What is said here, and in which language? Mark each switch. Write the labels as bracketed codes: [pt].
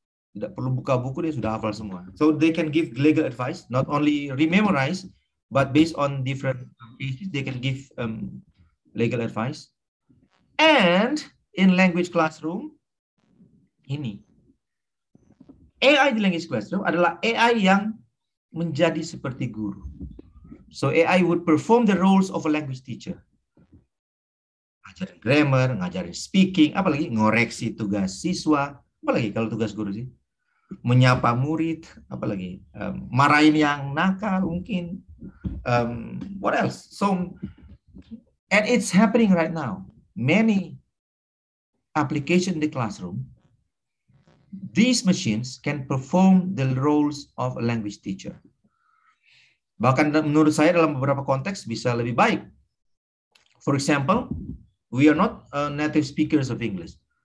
[id] Tidak perlu buka buku, dia sudah hafal semua. [en] So they can give legal advice, not only rememorize, but based on different cases, they can give legal advice. And in language classroom, ini. [id] AI di language classroom adalah AI yang menjadi seperti guru. [en] So AI would perform the roles of a language teacher. [id] Ngajarin grammar, ngajarin speaking, apalagi ngoreksi tugas siswa, apalagi kalau tugas guru sih. Menyapa murid, apalagi marahin yang nakal mungkin, [en] what else? So, and it's happening right now. Many application in the classroom, these machines can perform the roles of a language teacher. [id] Bahkan menurut saya dalam beberapa konteks bisa lebih baik. [en] For example, we are not native speakers of English.